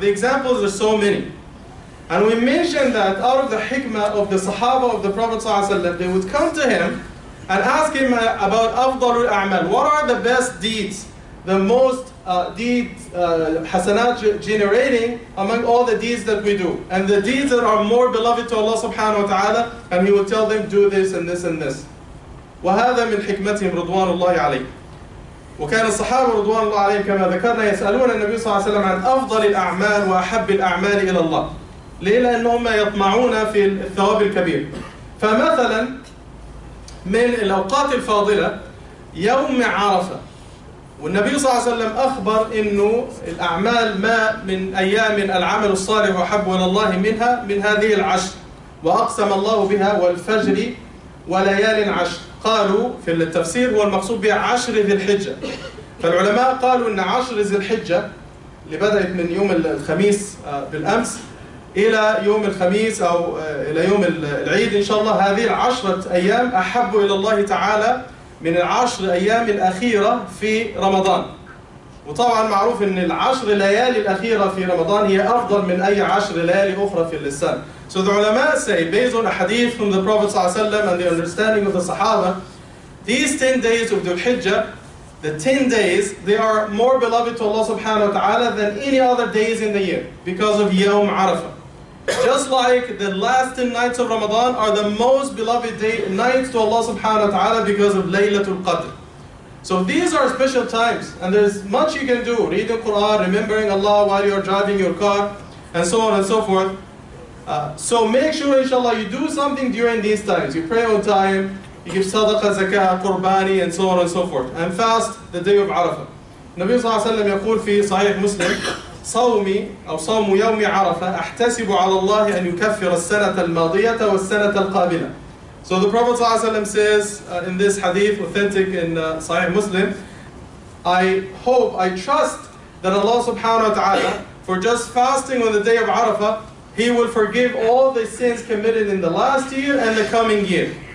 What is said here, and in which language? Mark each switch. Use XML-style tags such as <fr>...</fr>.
<en>The examples are so many. And we mentioned that out of the hikmah of the Sahaba of the Prophet ﷺ, they would come to him and ask him about afdalul a'mal. What are the best deeds, the most hasanat generating among all the deeds that we do? And the deeds that are more beloved to Allah subhanahu wa ta'ala, and he would tell them, do this and this and this.</en> <ar>وَهَذَا مِنْ حِكْمَتِهِمْ رُضْوَانُ اللَّهِ عَلَيْهِ وَكَانَ الصَّحَابَ رُضْوَانُ اللَّهِ عَلَيْهِ كَمَا ذَكَرْنَا يَسْأَلُونَ النَّبِي صلى الله عليه وسلم عن أفضل الأعمال وأحب الأعمال إلى الله. ليه؟ لأنهم يطمعون في الثواب الكبير. فمثلا من الأوقات الفاضلة يوم عرفة، والنبي صلى الله عليه وسلم أخبر إنه الأعمال ما من أيام العمل الصالح وحب إلى الله منها من هذه العشر، وأقسم الله بها والفجر وليال عشر. قالوا في التفسير والمقصود بها عشر ذي الحجة. فالعلماء قالوا إن عشر ذي الحجة اللي بدأت من يوم الخميس بالأمس إلى يوم الخميس أو إلى يوم العيد إن شاء الله، هذه العشرة أيام أحب إلى الله تعالى من العشر أيام الأخيرة في رمضان. وطبعا معروف أن العشر ليالي الأخيرة في رمضان هي أفضل من أي عشر ليالي أخرى في السنة.</ar> <en>So the ulama say, based on a hadith from the Prophet صلى الله عليه وسلم and the understanding of the Sahaba, these 10 days of Dhul Hijjah, the 10 days, they are more beloved to Allah subhanahu wa ta'ala than any other days in the year because of Yawm Arafah. Just like the last 10 nights of Ramadan are the most beloved day nights to Allah subhanahu wa ta'ala because of Laylatul Qadr. So these are special times, and there's much you can do, reading Quran, remembering Allah while you're driving your car, and so on and so forth. So make sure, inshallah, you do something during these times. You pray on time, you give sadaqah, zakah, qurbani, and so on and so forth. And fast the day of Arafah.</en> <ar>Nabi صلى الله عليه وسلم يقول في صحيح مسلم صومي أو صوم يوم عرفة أحتسب على الله أن يكفر السنة الماضية والسنة القابلة.</ar> <en>So the Prophet صلى الله عليه وسلم says in this hadith, authentic in صحيح مسلم, I hope, I trust that Allah subhanahu wa ta'ala, for just fasting on the day of Arafah, He will forgive all the sins committed in the last year and the coming year.</en>